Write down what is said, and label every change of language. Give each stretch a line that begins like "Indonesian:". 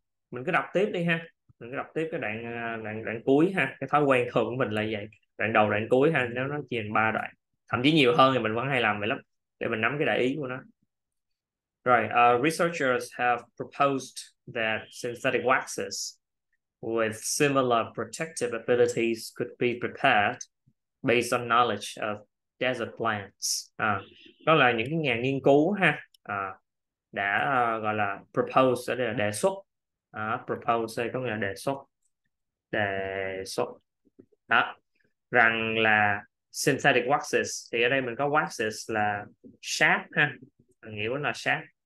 Vietnamese: Mình cứ đọc tiếp đi ha. Mình cứ đọc tiếp cái đoạn, đoạn cuối ha. Cái thói quen thường của mình là vậy. Đoạn đầu, đoạn cuối ha. Nếu nó chia thành 3 đoạn, thậm chí nhiều hơn thì mình vẫn hay làm vậy lắm, để mình nắm cái đại ý của nó.
English: Right, researchers have proposed that synthetic waxes with similar protective abilities could be prepared based on knowledge of desert plants.
Vietnamese: Đó là những cái nhà nghiên cứu ha, đã gọi là propose, đây là đề xuất. Propose đây có nghĩa là đề xuất. Đề xuất. Đó. Rằng là synthetic waxes, thì ở đây mình có waxes là sáp ha, nghĩa của nó là sáp.